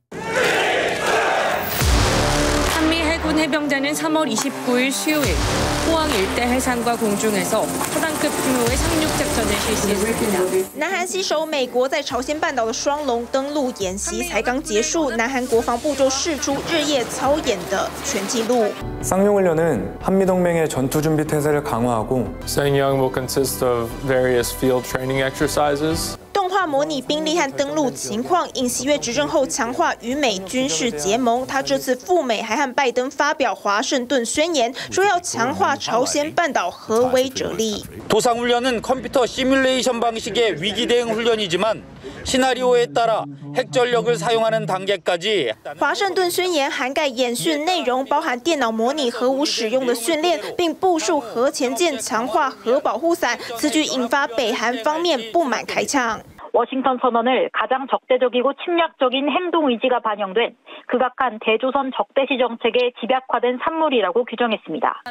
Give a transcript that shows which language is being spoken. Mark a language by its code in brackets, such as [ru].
[ko] 한미해군해병대는3월29일수요일포항일대해산과공중에서초당급규모의상륙작전을실시했습니다。 [zh] 南韩携手美国在朝鲜半岛的双龙登陆演习才刚结束，南韩国防部就释出日夜操演的全记录。 [ko] 상륙훈련은한미동맹의전투준비태세를강화하고 [en] Sangyong will consist of various field training exercises. [zh] 化模拟兵力和登陆情况，尹锡悦执政后强化与美军事结盟。他这次赴美还和拜登发表华盛顿宣言，说要强化朝鲜半岛核威慑力。 [ko] 도상훈련은컴퓨터시뮬레이션방식의위기대응훈련이지만시나리오에따라핵전력을사용하는단계까지 [zh] 华盛顿宣言涵盖演训内容，包含电脑模拟核武使用的训练，并部署核潜舰强化核保护伞。此举引发北韩方面不满开枪。 [ko] 워싱턴선언을가장적대적이고침략적인행동의지가반영된극악한대조선적대시정책의집약화된산물이라고규정했습니다